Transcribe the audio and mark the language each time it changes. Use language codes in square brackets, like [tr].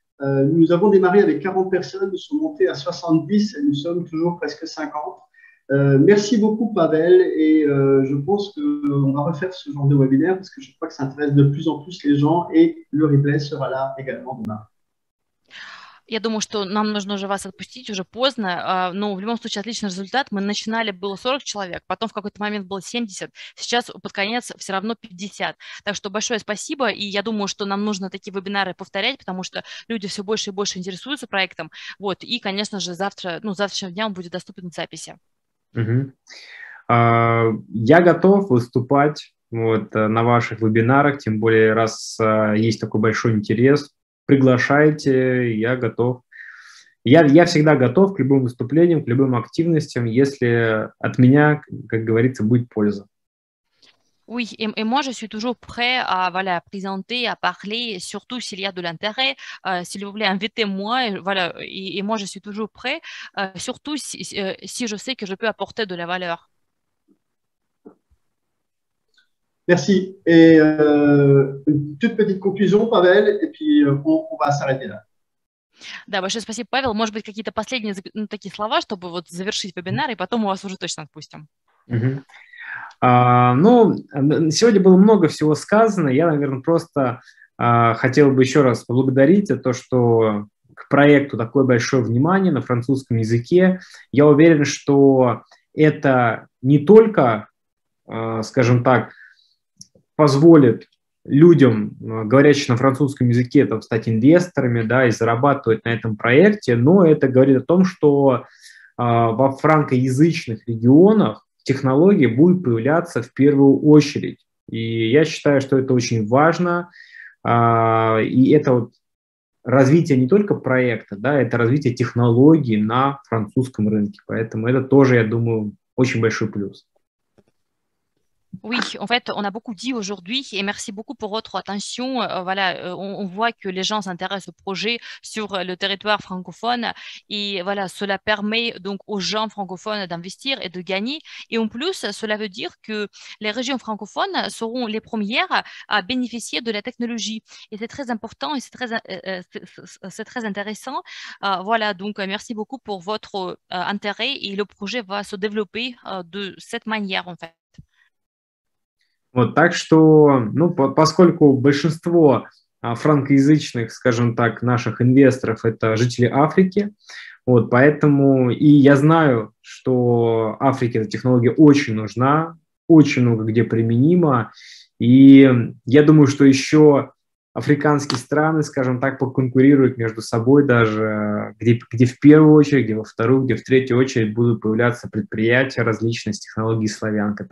[fr] Nous avons démarré avec 40 personnes, nous sommes montés à 70 et nous sommes toujours presque 50. Merci beaucoup, Pavel. Je pense qu'on va refaire ce genre de webinaire parce que je crois que ça intéresse de plus en plus les gens et le replay sera là également demain. [ru] Я думаю, что нам нужно уже вас отпустить, уже поздно. Но в любом случае отличный результат. Мы начинали, было 40 человек, потом в какой-то момент было 70, сейчас под конец все равно 50. Так что большое спасибо. И я думаю, что нам нужно такие вебинары повторять, потому что люди все больше и больше интересуются проектом. Вот. И, конечно же, завтра, ну, завтрашнего дня он будет доступен в записи. Я готов выступать вот, на ваших вебинарах, тем более, раз есть такой большой интерес, приглашайте, я готов. Я всегда готов к любым выступлениям, к любым активностям, если от меня, как говорится, будет польза. [fr] Oui, et moi, je suis toujours prêt à voilà, présenter, à parler, surtout s'il y a de l'intérêt, s'il vous plaît, invitez-moi, voilà, et moi, je suis toujours prêt, surtout si je sais que je peux apporter de la valeur. Merci. Une toute petite conclusion, Pavel, et puis on va s'arrêter là. [ru] Да, большое спасибо, Павел. Может быть, какие-то последние, ну, такие слова, чтобы вот завершить вебинар, и потом мы вас уже точно отпустим. Ну, сегодня было много всего сказано. Я, наверное, просто хотел бы еще раз поблагодарить за то, что к проекту такое большое внимание на французском языке. Я уверен, что это не только, скажем так, позволит людям, говорящим на французском языке, там, стать инвесторами, да, и зарабатывать на этом проекте, но это говорит о том, что во франкоязычных регионах технологии будут появляться в первую очередь. И я считаю, что это очень важно. И это вот развитие не только проекта, да, это развитие технологий на французском рынке. Поэтому это тоже, я думаю, очень большой плюс. [fr] Oui, en fait, on a beaucoup dit aujourd'hui et merci beaucoup pour votre attention. Voilà, on voit que les gens s'intéressent au projet sur le territoire francophone et voilà, cela permet donc aux gens francophones d'investir et de gagner. Et en plus, cela veut dire que les régions francophones seront les premières à bénéficier de la technologie. Et c'est très important et c'est très intéressant. Voilà, donc merci beaucoup pour votre intérêt et le projet va se développer de cette manière, en fait. [ru] Вот, так что, ну, поскольку большинство франкоязычных, скажем так, наших инвесторов – это жители Африки, вот, поэтому и я знаю, что Африке эта технология очень нужна, очень много где применима, и я думаю, что еще африканские страны, скажем так, поконкурируют между собой даже, где в первую очередь, где во вторую, где в третью очередь будут появляться предприятия различные с технологией Славянка.